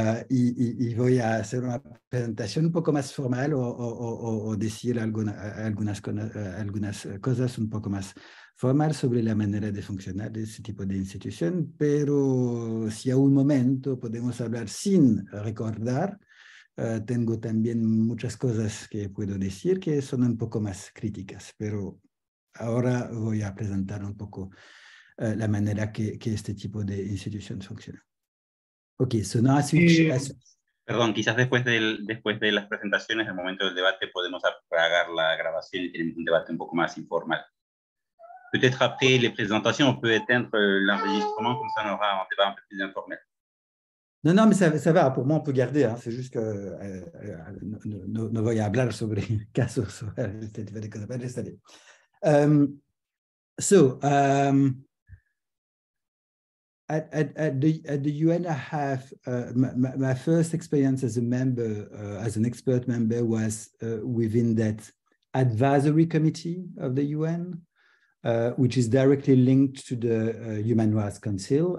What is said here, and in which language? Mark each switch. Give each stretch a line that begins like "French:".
Spanish: y voy a hacer una presentación un poco más formal o decir algunas cosas un poco más formal sobre la manera de funcionar de este tipo de institución, pero si a un momento podemos hablar sin recordar, tengo también muchas cosas que puedo decir que son un poco más críticas, pero ahora voy a presentar un poco la manera que este tipo de institución funciona.
English: Ok, so now I switch.
Spanish: Perdón, quizás después de las presentaciones, al momento del debate, podemos apagar la grabación y tener un debate un poco más informal.
French: Peut-être après les présentations, on peut éteindre l'enregistrement, comme ça on aura un débat un peu plus informel. Non, non, mais ça va, pour moi on peut garder, hein. C'est juste que
Spanish: no voy a hablar sobre casos, so
English: At the UN, I have my first experience as a member, as an expert member, was within that advisory committee of the UN, which is directly linked to the Human Rights Council.